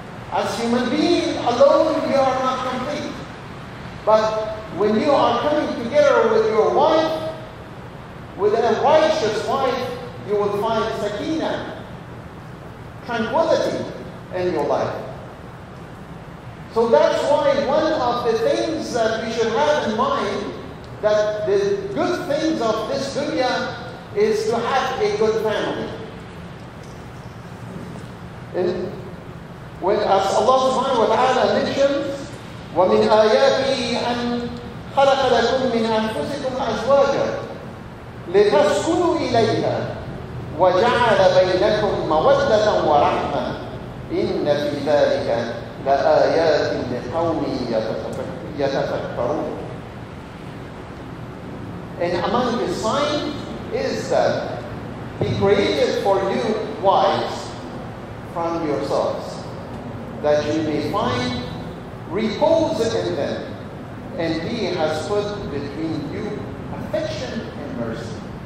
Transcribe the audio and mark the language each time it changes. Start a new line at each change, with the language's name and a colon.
English: As human being alone, you are not complete. But when you are coming together with your wife, with a righteous wife, you will find sakina, tranquility in your life. So that's why one of the things that we should have in mind, that the good things of this dunya is to have a good family. And when as Allah subhanahu wa ta'ala mentions,
Arabic: وَمِنْ آيَاتِهِ أَنْ خَلَقَ لَكُمْ مِنْ أَنْفُسِكُمْ أَزْوَاجًا لِتَسْكُنُوا إِلَيْهَا وَجَعَلَ بَيْنَكُمْ مَوَدَّةً وَرَحْمَةً إِنَّ فِي ذَلِكَ لَآيَاتٍ لِقَوْمٍ يَتَفَكَّرُونَ.
English: And among the signs is that He created for you wives from yourselves, that you may find repose in them, and He has put between you affection and mercy.